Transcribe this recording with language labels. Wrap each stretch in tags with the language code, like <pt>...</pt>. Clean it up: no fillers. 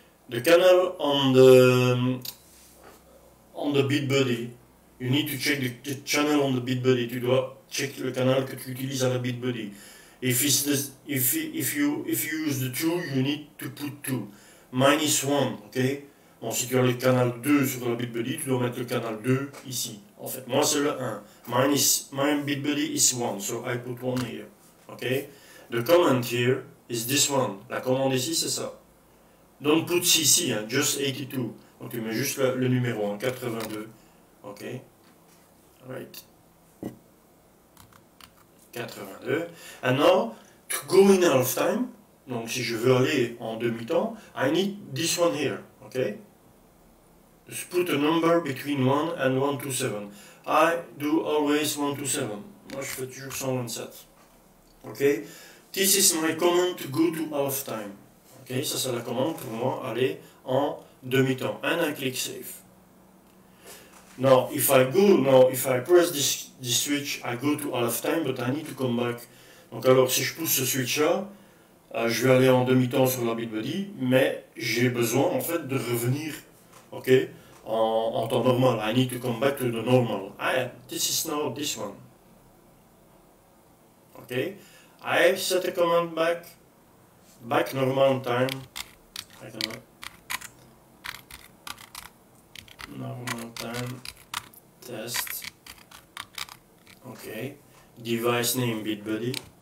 <en>The canal on the BitBuddy, you need to check the channel on the BitBuddy.</en> <fr>Tu dois check le canal que tu utilises à la BitBuddy.</fr> <en>If you use the 2, you need to put 2. Minus 1,</en> <fr>ok? Bon, si tu as le canal 2 sur la BitBuddy, tu dois mettre le canal 2 ici. En fait, moi c'est le 1.</fr> <en>My BitBuddy is 1, so I put 1 here. Ok? The command here is this one.</en> <fr>La commande ici, c'est ça.</fr> <en>Don't put CC,</en> <fr>hein, just 82. Donc tu mets juste le numéro, hein, 82. Ok. Right.</fr> <en>82. And now, to go in halftime,</en> <fr>donc si je veux aller en demi-temps,</fr> <en>I need this one here. Ok. Just put a number between 1 and 127. I do always 127.</en> <fr>Moi je fais toujours 127. Ok.</fr> <en>This is my command to go to halftime.</en> <fr>Ok, ça c'est la commande pour moi aller en demi-temps.</fr> <en>And I click save. Now, if I press this switch, I go to halftime, but I need to come back.</en> <fr>Donc alors, si je pousse ce switch-là, je vais aller en demi-temps sur la BitBuddy, mais j'ai besoin en fait de revenir, ok, en temps normal.</fr> <en>I need to come back to the normal. This is not this one. Ok, I set the command back. Back normal time, I cannot. Normal time, test. Okay, device name, BitBuddy.</en>